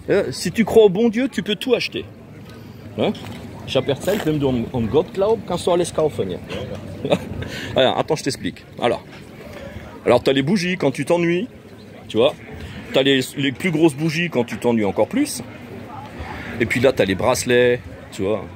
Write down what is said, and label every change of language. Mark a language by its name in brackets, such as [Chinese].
[French] Si tu crois au bon Dieu, tu peux tout acheter. [German] Ich habe erzählt, wenn du an Gott glaubst, kannst du alles kaufen. [French] Attends, je t'explique. Alors, t'as les bougies quand tu t'ennuies, tu vois. T'as les plus grosses bougies quand tu t'ennuies encore plus. Et puis là, t'as les bracelets, tu vois.